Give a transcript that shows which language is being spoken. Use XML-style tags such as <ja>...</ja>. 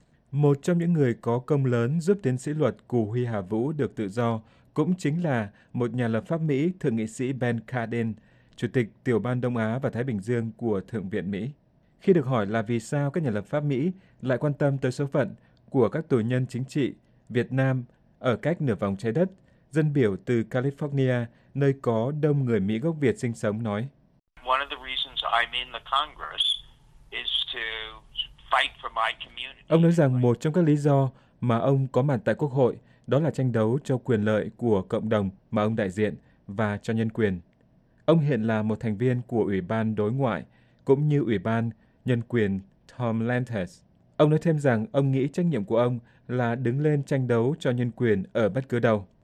<vi>Một trong những người có công lớn giúp tiến sĩ luật Cú Huy Hà Vũ được tự do cũng chính là một nhà lập pháp Mỹ, Thượng nghị sĩ Ben Cardin, Chủ tịch Tiểu ban Đông Á và Thái Bình Dương của Thượng viện Mỹ. Khi được hỏi là vì sao các nhà lập pháp Mỹ lại quan tâm tới số phận của các tù nhân chính trị Việt Nam ở cách nửa vòng trái đất, dân biểu từ California, nơi có đông người Mỹ gốc Việt sinh sống, nói:</vi> <en>One of the reasons I'm in the Congress is to fight for my community.</en> <vi>Ông nói rằng một trong các lý do mà ông có mặt tại Quốc hội đó là tranh đấu cho quyền lợi của cộng đồng mà ông đại diện và cho nhân quyền. Ông hiện là một thành viên của Ủy ban Đối ngoại cũng như Ủy ban Nhân quyền Tom Lantis. Ông nói thêm rằng ông nghĩ trách nhiệm của ông là đứng lên tranh đấu cho nhân quyền ở bất cứ đâu.</vi>